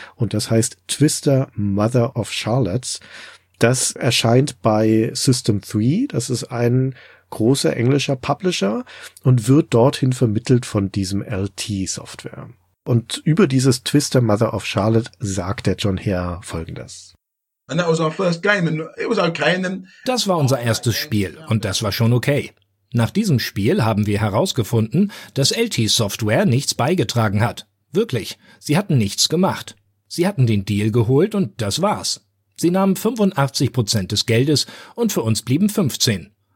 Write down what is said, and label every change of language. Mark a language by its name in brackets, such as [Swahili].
[German] Und das heißt Twister Mother of Charlottes. Das erscheint bei System 3. Das ist ein großer englischer Publisher und wird dorthin vermittelt von diesem LT-Software. Und über dieses Twister Mother of Charlotte sagt der John Herr Folgendes. [English] And that was our first game and it was okay. And then [German] das war unser erstes Spiel und das war schon okay. Nach diesem Spiel haben wir herausgefunden, dass LT Software nichts beigetragen hat. Wirklich, sie hatten nichts gemacht. Sie hatten den Deal geholt und das war's. Sie nahmen 85% des Geldes und für uns blieben 15.